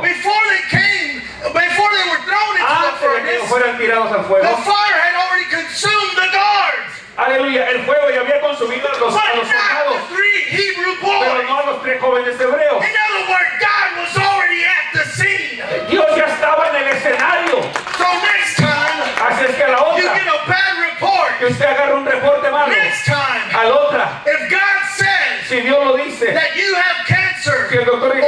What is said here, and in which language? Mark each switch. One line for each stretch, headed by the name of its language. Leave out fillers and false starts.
English: before they came, before they were thrown into the furnace,
Spanish: que fueran tirados al fuego,
English: the fire had already consumed the guards.
Spanish: Aleluya, el fuego ya había consumido a los soldados, pero no a los tres jóvenes hebreos.
English: In other words, God was already at the scene.
Spanish: Dios ya estaba en el escenario.
English: So next time,
Spanish: así es que a la otra,
English: you get a bad report,
Spanish: que usted agarre un reporte malo,
English: next time,
Spanish: a la otra,
English: if God says,
Spanish: si Dios lo dice,
English: that you have cancer,
Spanish: que el doctor dice,